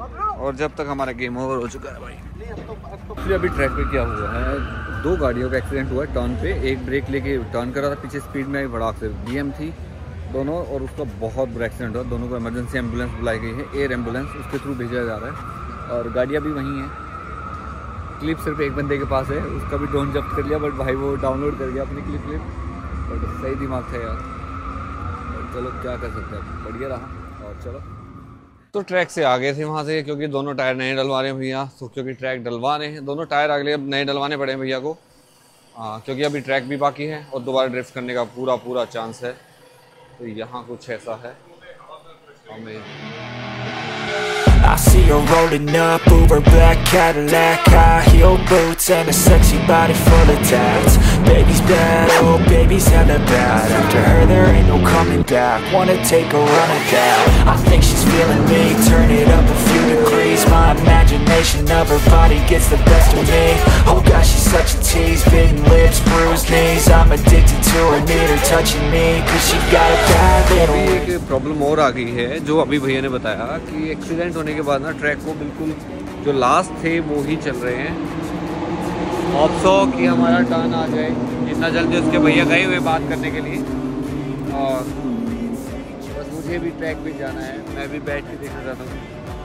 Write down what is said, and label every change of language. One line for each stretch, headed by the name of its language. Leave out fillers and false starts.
Hindi: Over, और जब तक हमारा गेम ओवर हो चुका है भाई। नहीं, अभी ट्रैक पे क्या हुआ है, दो गाड़ियों का एक्सीडेंट हुआ है टर्न पे, एक ब्रेक लेके टर्न कर रहा था पीछे स्पीड में, भड़ाक से BM थी दोनों, और उसका बहुत बुरा एक्सीडेंट हुआ, दोनों को इमरजेंसी एम्बुलेंस बुलाई गई है, एयर एम्बुलेंस उसके थ्रू भेजा जा रहा है, और गाड़ियाँ भी वहीं हैं, क्लिप सिर्फ एक बंदे के पास है, उसका भी ड्रोन जब्त कर लिया, बट भाई वो डाउनलोड कर गया अपनी क्लिप क्लिप, बट सही दिमाग था यार, चलो क्या कर सकते हैं, बढ़िया रहा। और चलो तो ट्रैक से आ गए थे वहाँ से, क्योंकि दोनों टायर नए डलवा रहे हैं भैया, तो क्योंकि ट्रैक डलवा रहे हैं दोनों टायर अगले, अब नए डलवाने पड़े हैं भैया को, क्योंकि अभी ट्रैक भी बाकी है और दोबारा ड्रिफ्ट करने का पूरा पूरा चांस है। तो यहाँ कुछ ऐसा है, हमें
English: I see her rolling up, Uber black Cadillac, high heel boots and a sexy body full of tats. Baby's bad, oh baby's hella bad, after her there ain't no coming back, wanna take a run at that. I think she's feeling me, turn it up a few degrees, my imagination of her body gets the best of me. Oh gosh, she's such a tease, bitten lips, bruised knees, I'm addicted to her, need her touching me, cause she got a bad little...
Hindi: problem और आ गई है, जो अभी भैया ने बताया कि accident होने के बाद ना ट्रैक को बिल्कुल जो लास्ट थे वो ही चल रहे हैं, अब सो कि हमारा टर्न आ जाए इतना जल्दी, उसके भैया गए हुए बात करने के लिए, और बस मुझे भी ट्रैक पे जाना है, मैं भी बैठ के देखना चाहता हूँ।